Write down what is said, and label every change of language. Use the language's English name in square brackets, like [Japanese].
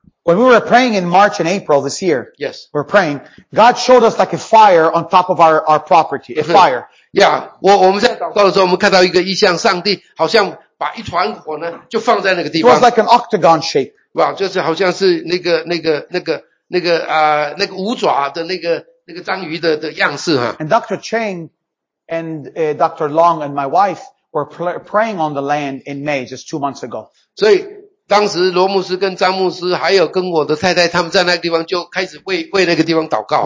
[English] When we were praying in March and April this year, yes, we're praying, God showed us like a fire on top of our property, a fire. [Chinese] Yeah, 我们在祷告的时候，我们看到一个异象，上帝好像把一团火呢，就放在那个地方。 [English] It was like an octagon shape. [Chinese] 就是好像是那个五爪的那个章鱼的样式哈。 [English] And Dr. Chang and Dr. Long and my wife were praying on the land in May, just 2 months ago. [Chinese] 所以当时罗牧师跟詹牧师还有跟我的太太他们在那个地方就开始为那个地方祷告。